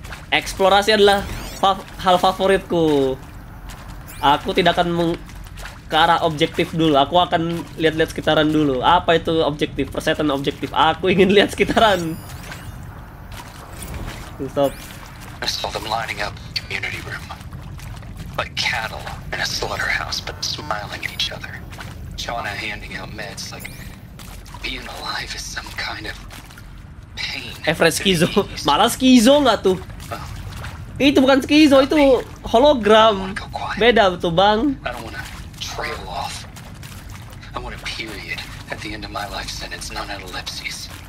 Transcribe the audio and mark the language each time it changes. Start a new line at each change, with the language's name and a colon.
Indonesian: Eksplorasi adalah hal favoritku. Aku tidak akan ke arah objektif dulu. Aku akan lihat-lihat sekitaran dulu. Apa itu objektif? Persetan objektif. Aku ingin lihat sekitaran.
English: Stop. I saw them lining up in the community room. Like cattle in a slaughterhouse, but smiling at each other. Chana handing out meds, like being alive is some kind of pain.
Indonesian: Efren skizo. Malah skizo nggak tuh? Well, itu bukan skizo, itu hologram. Beda tuh, bang.
English: I don't wanna trail off. I want a period at the end of my life sentence, not an ellipsis.